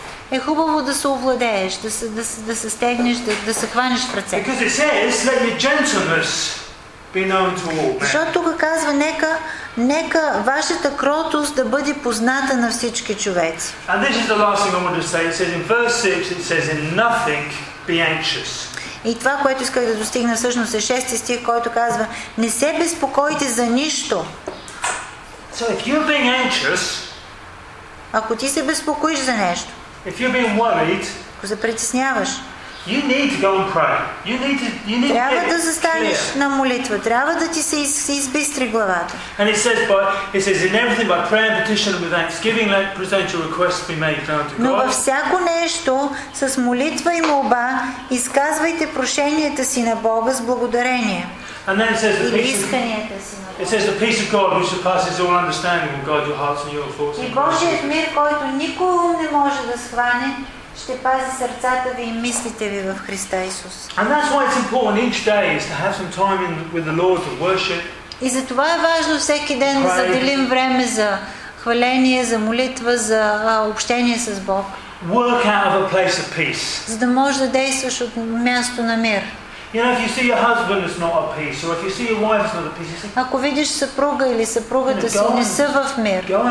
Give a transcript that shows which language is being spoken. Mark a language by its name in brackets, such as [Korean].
[Bulgarian] е хубаво да се овладееш, да се стегнеш, да се хванеш в ръце. [English] Because it says, let your gentleness be known to all. [Bulgarian] Защото тук казва, нека вашата кротост да бъде позната на всички човеци. [English] And this is the last thing I want to say. It says in verse 6, it says in nothing be anxious. [Bulgarian] И това, което исках да достигна всъщност, е 6 стих, който казва, не се безпокойте за нищо. [English] So if you're being anxious, [Bulgarian] ако ти се безпокоиш за нещо, [English] if you're being worried, [Bulgarian] ако се притесняваш, [English] You need to go and pray. You need to. You need [Bulgarian] трябва [English] to get [Bulgarian] да застанеш на молитва. Трябва да ти се избистри главата. [English] And it says, but it says in everything by prayer and petition with thanksgiving, let present your requests be made known to God. [Bulgarian] Но във всяко нещо с молитва и молба изказвайте прошенията си на Бога с благодарение. [English] And then it says the peace. It says the peace of God which surpasses all understanding will guide your hearts and your thoughts. [Bulgarian] И Божият мир, който никой ум не може да схване, ще пази сърцата ви и мислите ви в Христа Исус. [English] And that's why it's important each day is to have some time in with the Lord to worship. [Bulgarian] И затова е важно всеки ден да заделим време за хваление, за молитва, за общение с Бог. [English] Work out of a place of peace. [Bulgarian] За да може да действаш от място на мир. [English] You know, if you see your husband is not at peace, or if you see your wife is not at peace, you say, [Bulgarian] ако видиш съпруга или съпругата си не са в мир,